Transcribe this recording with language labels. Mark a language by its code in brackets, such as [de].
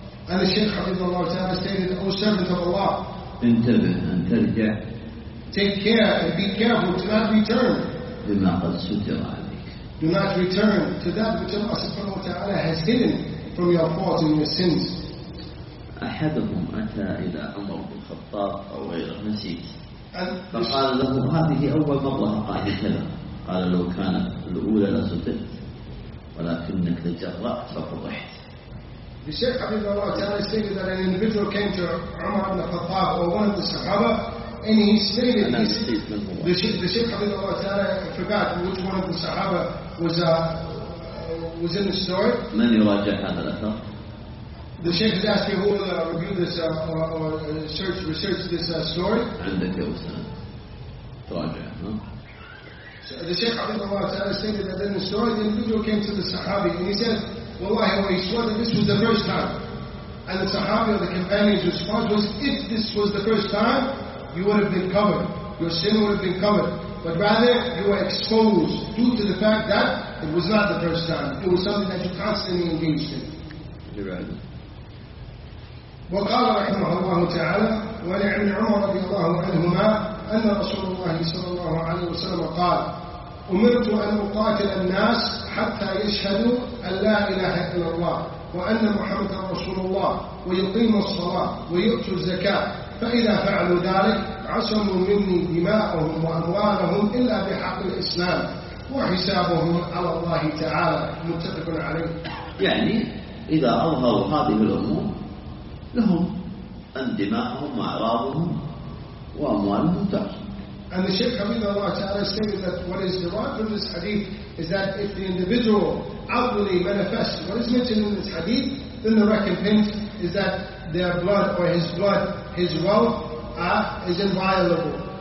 [en] And the Shaykh Habibullah Ta'ala stated, O servant of Allah, [ar] انتبه أن ترجع. [en] Take care and be careful to not return. [ar] لما قد ستر عليك. [en] Do not return to that which Allah subhanahu wa ta'ala has hidden from your faults and your sins. [ar] أحدهم أتى إلى عمر بن الخطاب أو غير نسيت. فقال له هذه أول مرة قالت له. قال لو كانت الأولى لسترت ولكنك تجرأت ففضحت. [en] The Shaykh Habibullah Ta'ala stated that an individual came to Umar ibn al-Khattab or one of the Sahaba, and he stated this. The Shaykh Habibullah Ta'ala forgot which one of the Sahaba was in the story. Many rajah had that. The Shaykh is asking who will review this or research this story. And the Kilsan. Rajah, no? So the Shaykh Habibullah Ta'ala stated that in the story, the individual came to the Sahabi and he said, Wallahi, well, he swore that this was the first time. And the Sahabi or the companion's response was, if this was the first time, you would have been covered. Your sin would have been covered. But rather, you were exposed due to the fact that it was not the first time. It was something that you constantly engaged in. You're right. [ar] وقال رحمه الله تعالى ولعن عمر رضي الله عنهما أن رسول الله صلى الله عليه وسلم قال أمرت أن أقاتل الناس حتى يشهدوا أن لا إله إلا الله وأن محمد رسول الله ويقيم الصلاة ويؤتوا الزكاة فإذا فعلوا ذلك عصموا مني دماءهم وأموالهم إلا بحق الإسلام وحسابهم على الله تعالى متفق عليه. يعني إذا أظهروا هذه الأمور لهم أن دماءهم وأعراضهم وأموالهم تعصم. [en] And the Shaykh Habibullah Ta'ala stated that what is derived from this hadith is that if the individual outwardly manifests what is mentioned in this hadith, then the recompense is that their blood or his blood, his wealth, is inviolable.